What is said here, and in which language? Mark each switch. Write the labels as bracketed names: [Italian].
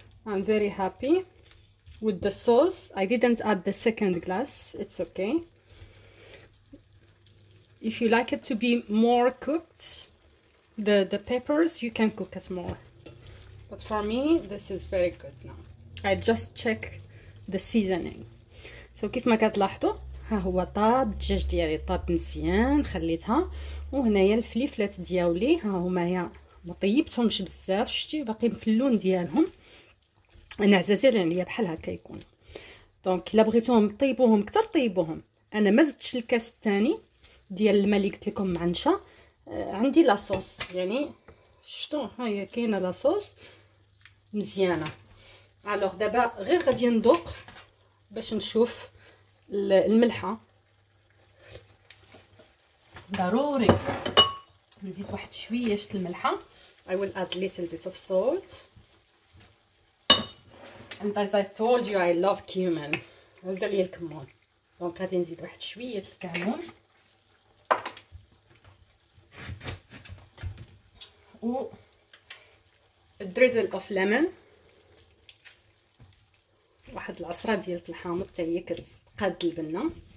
[English] I'm very happy with the sauce. I didn't add the second glass. It's okay. If you like it to be more cooked, the peppers, you can cook it more. But for me, this is very good now. I just check the seasoning. So [Arabic] كيف ما كتلاحظوا ها هو طاب، الدجاج ديالي طاب مزيان، خليتها. وهنايا الفليفلات ديالي ها هما، يا ما طيبتهمش بزاف شتي، باقي في اللون ديالهم. انا عزازي عليا بحال هكا يكون. دونك الا بغيتوهم طيبوهم كثر طيبوهم. انا ما زدتش الكاس الثاني ديال الماء اللي قلت لكم مع النشا، عندي لاصوص يعني شفتوا ها هي كاينه لاصوص مزيانه. الوغ دابا غير غادي ندوق باش نشوف الملحه، ضروري نزيد واحد شويه شت الملحه. [English] I will add little bit of salt and as I told you I love cumin. [Arabic] نزل الكمون، دونك غادي نزيد واحد شويه الكمون و [English] الدريزل اوف ليمون، [Arabic] واحد العصره ديال الحامض حتى هي كتقاد البنه.